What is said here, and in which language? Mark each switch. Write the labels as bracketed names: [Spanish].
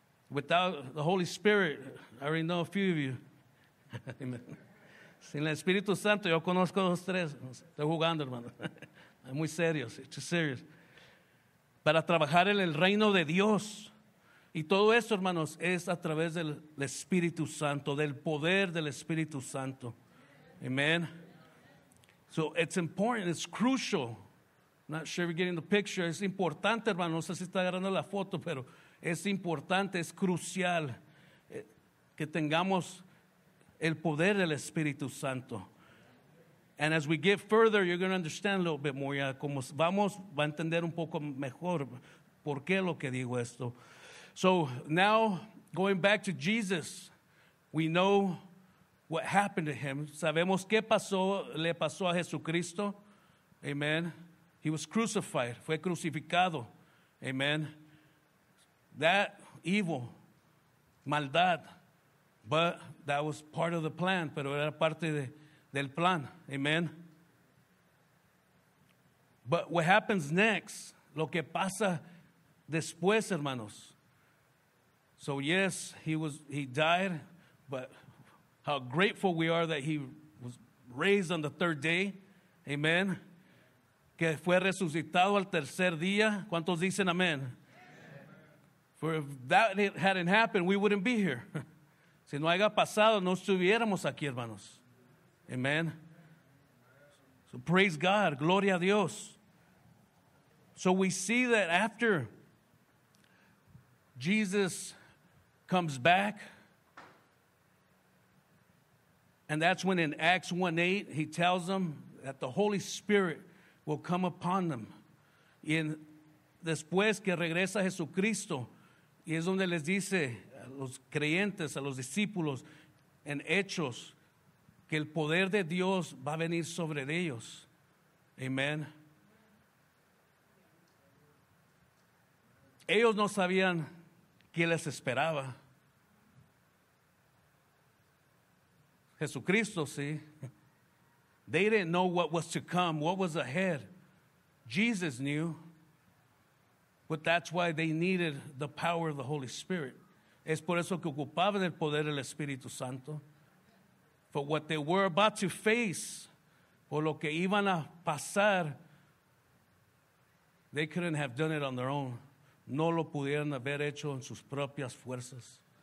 [English] Without the Holy Spirit, I already know a few of you. Amen. [Spanish] Sin el Espíritu Santo, yo conozco a los tres. Estoy jugando, hermano. Es muy serio. [English] It's too serious. [Spanish] Para trabajar en el reino de Dios. Y todo eso, hermanos, es a través del Espíritu Santo, del poder del Espíritu Santo. Amen. [English] So it's important, it's crucial. I'm not sure if you're getting the picture. [Spanish] Es importante, hermanos. No sé si está agarrando la foto, pero es importante, es crucial que tengamos el poder del Espíritu Santo. [English] And as we get further, you're going to understand a little bit more. [Spanish] Ya, como vamos, va a entender un poco mejor por qué lo que digo esto. [English] So now, going back to Jesus, we know what happened to him. [Spanish] Sabemos qué pasó, le pasó a Jesucristo. [English] Amen. He was crucified. [Spanish] Fue crucificado. [English] Amen. That evil, maldad, but that was part of the plan, [Spanish] pero era parte del plan. [English] Amen. But what happens next, [Spanish] lo que pasa después, hermanos. [English] So yes, he died, but how grateful we are that he was raised on the third day. Amen. [Spanish] Que fue resucitado al tercer día. ¿Cuántos dicen amén? [English] For if that hadn't happened, we wouldn't be here. [Spanish] Si no haya pasado, no estuviéramos aquí, hermanos. [English] Amen. So praise God. [Spanish] Gloria a Dios. [English] So we see that after Jesus comes back, and that's when in Acts 1:8 he tells them that the Holy Spirit will come upon them. [Spanish] Y después que regresa Jesucristo, y es donde les dice a los creyentes, a los discípulos, en Hechos, que el poder de Dios va a venir sobre ellos. Amen. Ellos no sabían qué les esperaba. [English] Jesucristo, see, they didn't know what was to come, what was ahead. Jesus knew, but that's why they needed the power of the Holy Spirit. [Spanish] Es por eso que ocupaban el poder del Espíritu Santo. [English] For what they were about to face, [Spanish] por lo que iban a pasar, [English] they couldn't have done it on their own. [Spanish] No lo pudieron haber hecho en sus propias fuerzas.